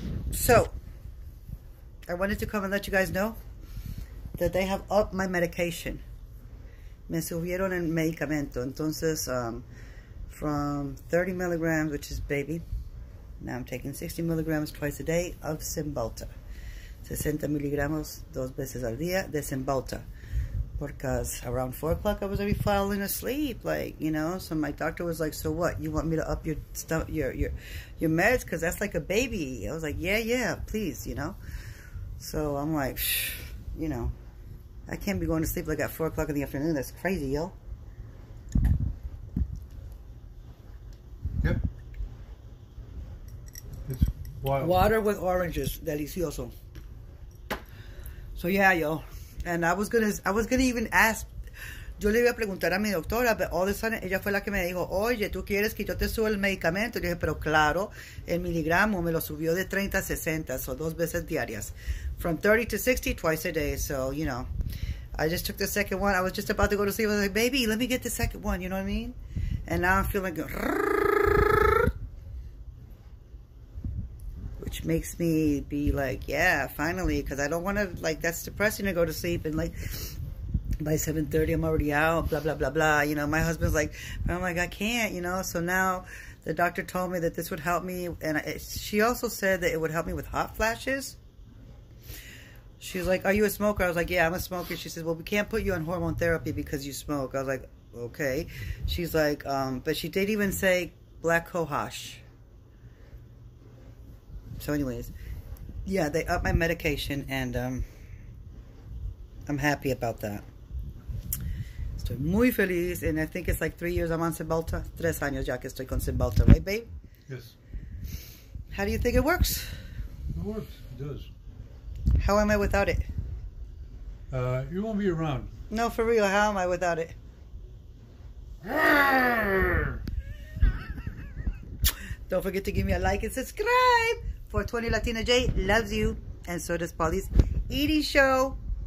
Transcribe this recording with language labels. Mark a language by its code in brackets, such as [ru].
[en] So, I wanted to come and let you guys know that they have upped my medication. [es] Me subieron el medicamento. Entonces, [en] from 30 milligrams, which is baby, now I'm taking 60 milligrams twice a day of Cymbalta. [es] 60 miligramos dos veces al día de Cymbalta. [en] Because around 4 o'clock I was already falling asleep, like, you know. So my doctor was like, so what, you want me to up your meds? Because that's like a baby. I was like, yeah, please, you know. So I'm like, shh, you know, I can't be going to sleep like at 4 o'clock in the afternoon. That's crazy, yo. Wild. Water with oranges, delicioso. So yeah, yo. And I was gonna even ask. [es] Yo le iba a preguntar a mi doctora, [en] but all of a sudden [es] ella fue la que me dijo, oye, ¿tú quieres que yo te suba el medicamento? Y yo dije, pero claro, el miligramo me lo subió de 30 a 60, so dos veces diarias. [en] From 30 to 60 twice a day. So, you know. I just took the second one. I was just about to go to sleep. I was like, baby, let me get the second one, you know what I mean? And now I'm feeling like, makes me be like, yeah, finally, because I don't want to, like, that's depressing to go to sleep and like by 7:30 I'm already out, blah blah blah blah, you know. My husband's like, I'm like, I can't, you know. So now the doctor told me that this would help me, and she also said that it would help me with hot flashes. She's like, are you a smoker? I was like, yeah, I'm a smoker. She says, well, we can't put you on hormone therapy because you smoke. I was like, okay. She's like, but she did even say black cohosh. So anyways, yeah, they upped my medication, and I'm happy about that. [es] Estoy muy feliz, [en] and I think it's like 3 years I'm on Cymbalta. [es] 3 años ya que estoy con Cymbalta, [en] right, babe? Yes. How do you think it works? It works. It does. How am I without it? You won't be around. No, for real. How am I without it? Don't forget to give me a like and subscribe. 420 Latina J loves you, and so does Polly's eating show.